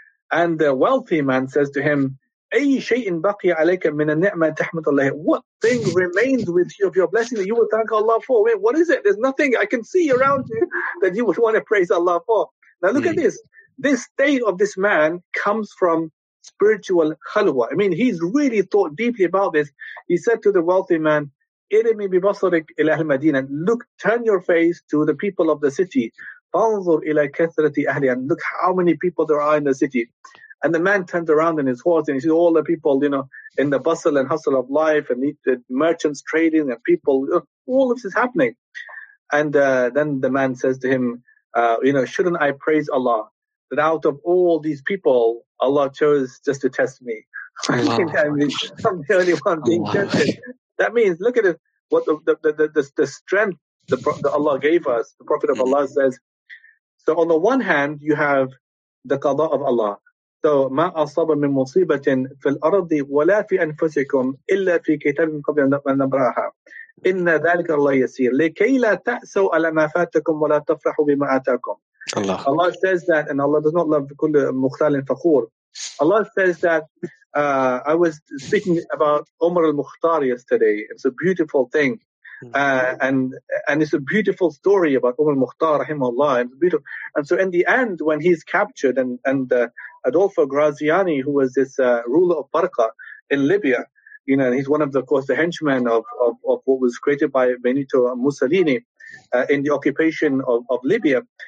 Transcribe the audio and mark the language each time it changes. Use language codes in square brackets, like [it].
[en] And the wealthy man says to him, [ar] أي شيء بقي عليك من النعمة تحمد الله. [en] What thing remains with you of your blessing that you would thank Allah for? Wait, what is it? There's nothing I can see around you that you would want to praise Allah for. Now look at this. This state of this man comes from spiritual khalwa. I mean, he's really thought deeply about this. He said to the wealthy man, [ar] إرمي ببصرك إلى أهل المدينة. [en] Look, turn your face to the people of the city. [ar] فانظر إلى كثرة أهلها. [en] Look how many people there are in the city. And the man turns around in his horse and he sees all the people, you know, in the bustle and hustle of life and the merchants trading and people, all of this is happening. And then the man says to him, shouldn't I praise Allah that out of all these people, Allah chose just to test me? I'm the only one being tested. That means, look at it, what the strength that Allah gave us, the Prophet of Allah says. So on the one hand, you have the qada of Allah. [ar] So ما أصاب من مصيبة في الأرض ولا في أنفسكم إلا في كتاب قبل أن نبرأها إن ذلك الله يسير لكي لا تأسوا على ما فاتكم ولا تفرحوا بما أتاكم. [en] Allah says that, and Allah does not love [ar] كل مختال فخور. [en] Allah says that I was speaking about Umar al-Mukhtar yesterday. It's a beautiful thing, and it's a beautiful story about Umar al-Mukhtar, rahimahullah. It's beautiful, and so in the end, when he's captured and Adolfo Graziani, who was this ruler of Barqa in Libya, you know, and he's one of the, of course, the henchmen of what was created by Benito Mussolini in the occupation of Libya.